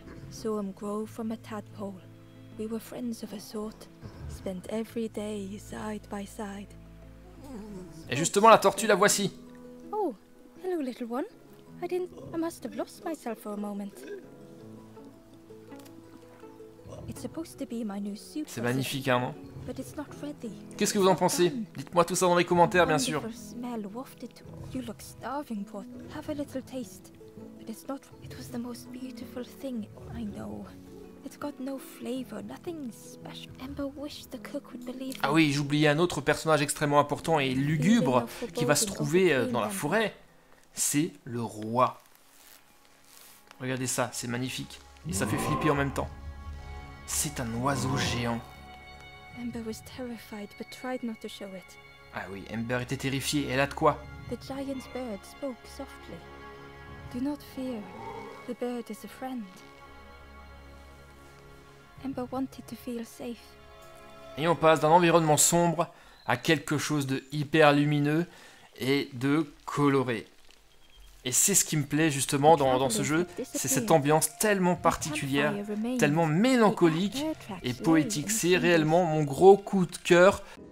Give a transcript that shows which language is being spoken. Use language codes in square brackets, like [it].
[en] Saw him grow from a tadpole. We were friends of a sort. Spent every day side by side. [fr] Et justement, la tortue, la voici. [en] Oh, hello, little one. I must have lost myself for a moment. It's supposed to be my new suit. [fr] C'est magnifique, hein, non? [en] But it's not ready. [fr] Qu'est-ce que vous en pensez? Dites-moi tout ça dans les commentaires, bien sûr. [en] Smell wafted. You look starving, poor. Have a little taste. But it's not. It was the most beautiful thing I know. It's got no flavor, nothing special. Ember wished the cook would believe. [fr] Ah oui, j'oubliais un autre personnage extrêmement important et lugubre qui va se trouver dans la forêt. C'est le roi. Regardez ça, c'est magnifique et ça fait flipper en même temps. C'est un oiseau géant. [en] Ember was terrified but tried not to show it. [fr] Ah oui, Ember était terrifiée. Elle a de quoi. [en] The giant's bird spoke softly. Do not fear. The bird is a friend. Ember wanted to feel safe. [fr] Et on passe d'un environnement sombre à quelque chose de hyper lumineux et de coloré. Et c'est ce qui me plaît justement dans ce jeu, c'est cette ambiance tellement particulière, tellement mélancolique et poétique. C'est réellement mon gros coup de cœur.